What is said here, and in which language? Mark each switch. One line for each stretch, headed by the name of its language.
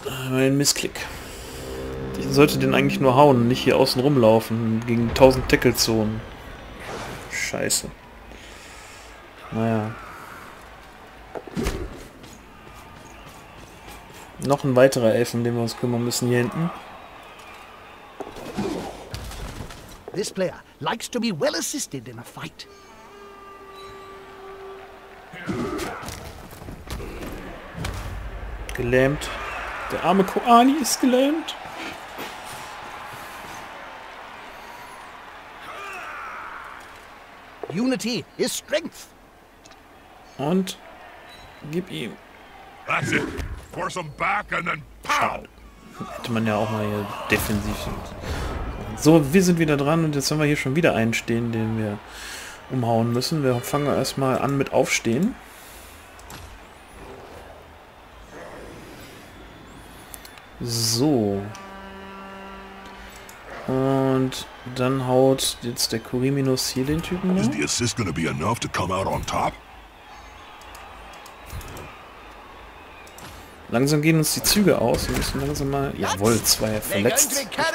German: Ein Missklick. Ich sollte den eigentlich nur hauen, nicht hier außen rumlaufen, gegen 1000 Tackle-Zonen. Scheiße. Naja. Noch ein weiterer Elf, um den wir uns kümmern müssen, hier hinten.
English: This player likes to be well assisted in a fight.
German: Gelähmt. Der arme Koani ist gelähmt.
English: Unity is strength.
German: Und gib ihm.
English: That's it. Force him back and then pow.
German: Hätte man ja auch mal hier defensiv. So, wir sind wieder dran und jetzt haben wir hier schon wieder einen stehen, den wir umhauen müssen. Wir fangen erstmal an mit Aufstehen. So. Und dann haut jetzt der Kuriminus hier den Typen um.
English: Is the assist gonna be enough to come out on top?
German: Langsam gehen uns die Züge aus. Wir müssen langsam mal... Jawohl, zwei verletzt.